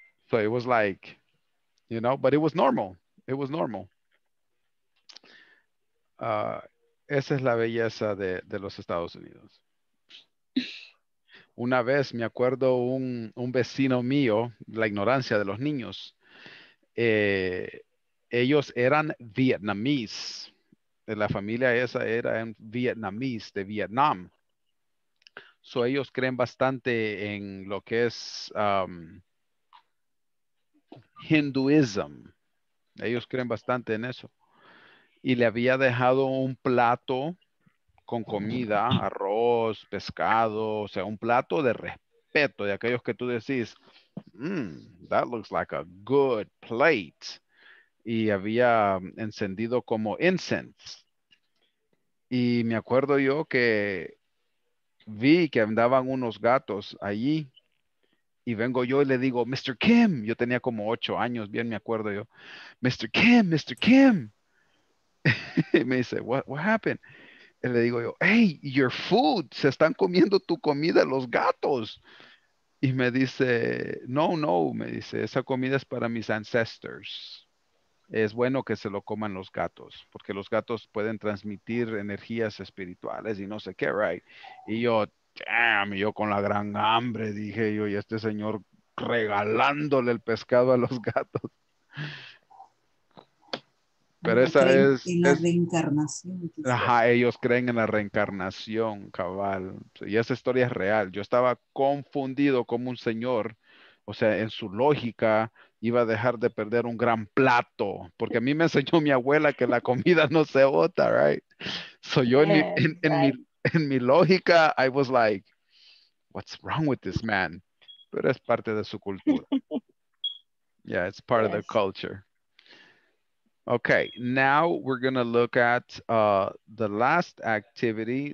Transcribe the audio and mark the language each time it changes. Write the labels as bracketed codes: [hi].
[en] So it was like, you know, but it was normal. It was normal. [es] Esa es la belleza de los Estados Unidos. Una vez me acuerdo un vecino mío, la ignorancia de los niños, ellos eran vietnamíes. De la familia esa era en vietnamíes de Vietnam. So ellos creen bastante en lo que es hinduism. Ellos creen bastante en eso. Y le había dejado un plato con comida, arroz, pescado. O sea, un plato de respeto de aquellos que tú decís, [en] that looks like a good plate. [es] Y había encendido como incense. Y me acuerdo yo que vi que andaban unos gatos allí. Y vengo yo y le digo, Mr. Kim. Yo tenía como 8 años, bien me acuerdo yo. Mr. Kim, Mr. Kim. Y me dice, [en] what happened? [es] Y le digo yo, [en] hey, your food. [es] Se están comiendo tu comida los gatos. Y me dice, no. Me dice, esa comida es para mis ancestors. Es bueno que se lo coman los gatos, porque los gatos pueden transmitir energías espirituales y no sé qué, right? Y yo, damn, yo con la gran hambre, dije yo, y este señor regalándole el pescado a los gatos. Pero esa es... En la reencarnación. Ajá, ellos creen en la reencarnación, cabal. Y esa historia es real. Yo estaba confundido como un señor, o sea, en su lógica, iba a dejar de perder un gran plato, porque a mí me enseñó mi abuela que la comida no se bota, right? So yo en mi lógica, [en] I was like, what's wrong with this man? [es] Pero es parte de su cultura. [en] Yeah, it's part of the culture. Okay, now we're gonna look at the last activity.